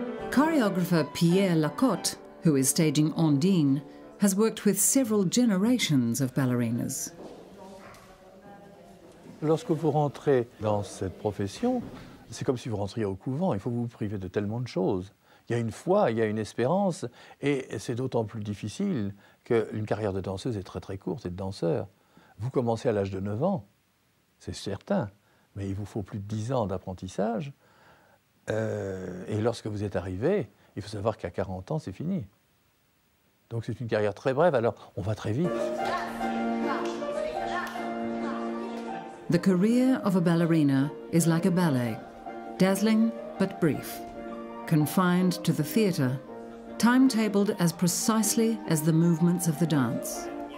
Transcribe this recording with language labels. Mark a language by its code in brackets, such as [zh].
[en] Choreographer Pierre Lacotte, who is staging Ondine, has worked with several generations of ballerinas. [fr] Lorsque vous rentrez dans cette profession, c'est comme si vous rentriez au couvent. Il faut vous priver de tellement de choses. Il y a une foi, il y a une espérance, et c'est d'autant plus difficile qu'une carrière de danseuse est très très courte et de danseur. Vous commencez à l'âge de 9 ans, c'est certain, mais il vous faut plus de 10 ans d'apprentissage. Et lorsque vous êtes arrivé, il faut savoir qu'à 40 ans, c'est fini. Donc c'est une carrière très brève, alors on va très vite. [en] The career of a ballerina is like a ballet, dazzling but brief, confined to the theater, timetabled as precisely as the movements of the dance.